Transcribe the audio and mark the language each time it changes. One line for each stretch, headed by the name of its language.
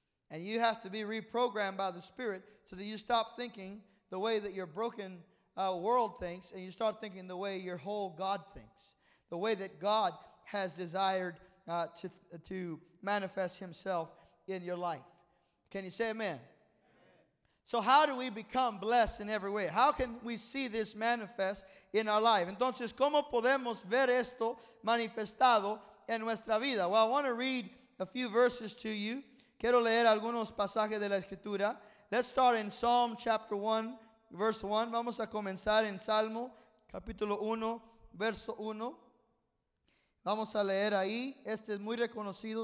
English: And you have to be reprogrammed by the Spirit so that you stop thinking the way that your broken world thinks, and you start thinking the way your whole God thinks, the way that God has desired to manifest himself in your life. Can you say amen? So how do we become blessed in every way? How can we see this manifest in our life?
Spanish: Entonces, ¿cómo podemos ver esto manifestado en nuestra vida?
English: Well, I want to read a few verses to you.
Spanish: Quiero leer algunos pasajes de la Escritura.
English: Let's start in Psalm chapter 1, verse 1.
Spanish: Vamos a comenzar en Salmo, capítulo 1, verso 1. Vamos a leer ahí. Este es muy reconocido.